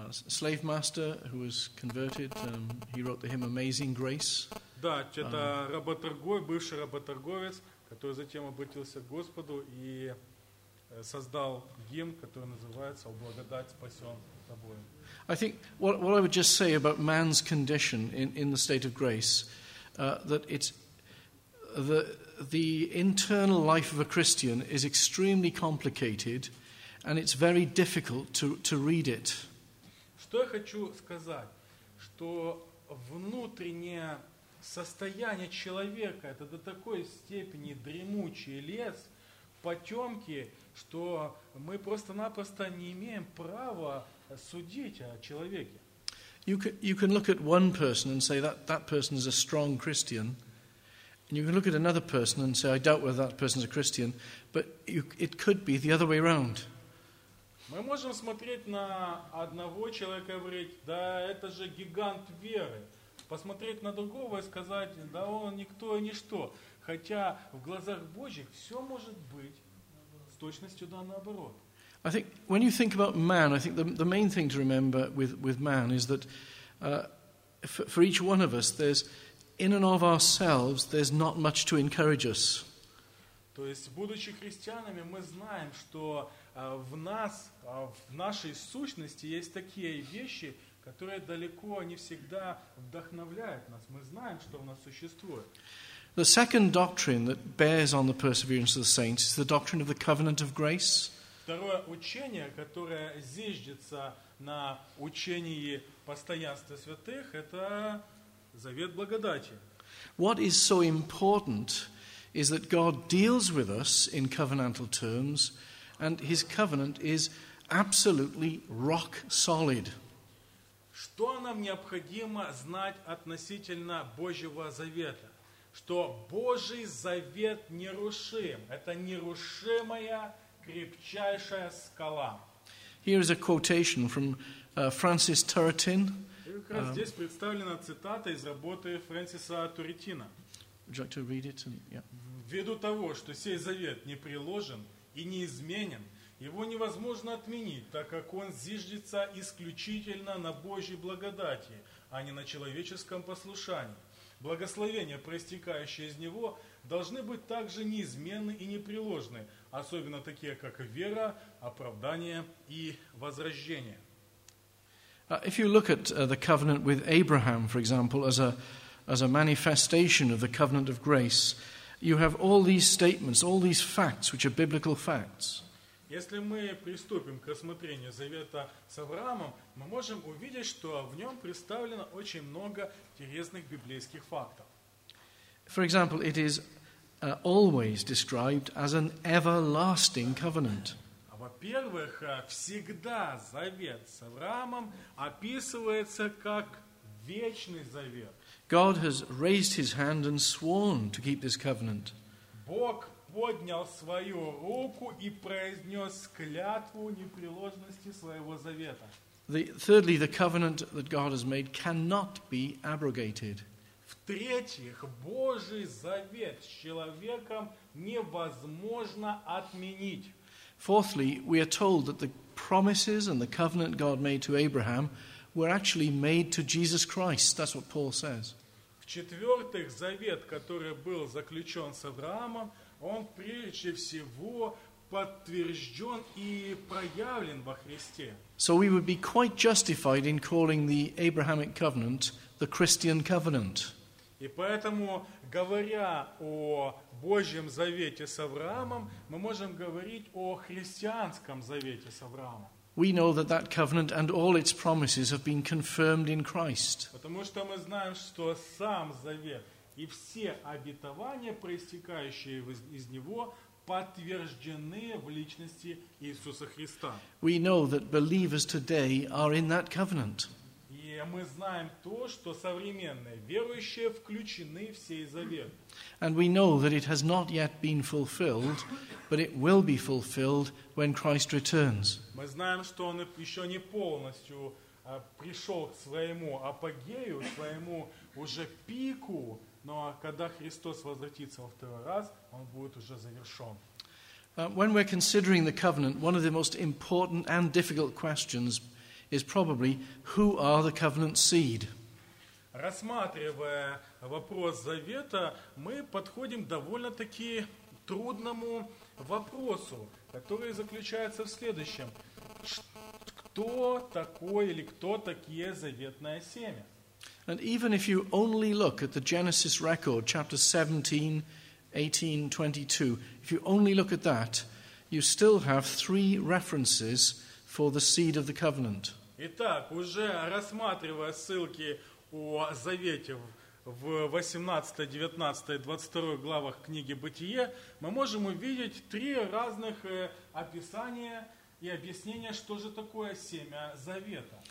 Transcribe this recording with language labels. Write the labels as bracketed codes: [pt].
[en] Slave master who was converted, he wrote the hymn Amazing Grace. [ru] Да, это работорговец, бывший работорговец, который затем обратился к Господу и создал гимн, который называется «О благодать спасен тобой». [en] I think what I would just say about man's condition in the state of grace, that it's the internal life of a Christian is extremely complicated, and it's very difficult to read it. [ru] Что я хочу сказать, что внутреннее состояние человека это до такой степени дремучий лес, потемки, что мы просто-напросто не имеем права судить о человеке. [en] You can look at one person and say that person is a strong Christian, and you can look at another person and say I doubt whether that person is a Christian, but it could be the other way around. [ru] Мы можем смотреть на одного человека и говорить, да, это же гигант веры. Посмотреть на другого и сказать, да, он никто и ничто. Хотя в глазах Божьих все может быть с точностью да наоборот. [en] I think when you think about man, I think the main thing to remember with man is that for each one of us, there's in and of ourselves, there's not much to encourage us. [ru] То есть, будучи христианами, мы знаем, что в нас, в нашей сущности есть такие вещи, которые далеко не всегда вдохновляют нас. Мы знаем, что у нас существует. [en] The second doctrine that bears on the perseverance of the saints is the doctrine of the covenant of grace. [ru] Второе учение, которое зиждется на учении постоянства святых, это завет благодати. [en] What is so important is that God deals with us in covenantal terms, and his covenant is absolutely rock solid. [ru] Что нам необходимо знать относительно Божьего завета? Что Божий завет нерушим. Это нерушимая, крепчайшая скала. [en] Here is a quotation from Francis Turretin. [ru] Как раз здесь представлена цитата из работы Фрэнсиса Туретина. [en] Would you like to read it? And, yeah. [ru] Ввиду того, что сей завет непреложен и неизменен, его невозможно отменить, так как он зиждется исключительно на Божьей благодати, а не на человеческом послушании. Благословения, проистекающие из него, должны быть также неизменны и непреложны, особенно такие, как вера, оправдание и возрождение. [en] If you look at the covenant with Abraham, for example, as a manifestation of the covenant of grace, you have all these statements, all these facts, which are biblical facts. [ru] Если мы приступим к рассмотрению завета с Авраамом, мы можем увидеть, что в нем представлено очень много интересных библейских фактов. [en] For example, it is always described as an everlasting covenant. [ru] Во-первых, всегда завет с Авраамом описывается как вечный завет. [en] God has raised his hand and sworn to keep this covenant. [ru] Бог поднял свою руку и произнес клятву непреложности своего завета. [en] Thirdly, the covenant that God has made cannot be abrogated. [ru] В-третьих, Божий завет с человеком невозможно отменить. [en] Fourthly, we are told that the promises and the covenant God made to Abraham were actually made to Jesus Christ. That's what Paul says. [ru] В-четвертых, завет, который был заключен с Авраамом, он прежде всего подтвержден и проявлен во Христе. [en] So we would be quite justified in calling the Abrahamic covenant the Christian covenant. [ru] И поэтому, говоря о Божьем завете с Авраамом, мы можем говорить о христианском завете с Авраамом. [en] We know that that covenant and all its promises have been confirmed in Christ. [ru] Потому что мы знаем, что сам завет и все обетования, проистекающие из него, подтверждены в личности Иисуса Христа. [en] We know that believers today are in that covenant. [ru] И мы знаем то, что современные верующие включены в сей завет. [en] And we know that it has not yet been fulfilled, but it will be fulfilled when Christ returns. [ru] Мы знаем, что он еще не полностью пришел к своему апогею, своему уже пику, но когда Христос возвратится во второй раз, он будет уже завершен. [en] When we're considering the covenant, one of the most important and difficult questions is probably, who are the covenant seed? [ru] Рассматривая вопрос завета, мы подходим довольно-таки трудному вопросу, который заключается в следующем. Кто такой или кто такие заветное семя? [en] And even if you only look at the Genesis record, chapter 17, 18, 22, if you only look at that, you still have three references for the seed of the covenant. [ru] Итак, уже рассматривая ссылки о завете в 18, 19, 22 главах книги Бытие, мы можем увидеть три разных описания и объяснения, что же такое семя завета.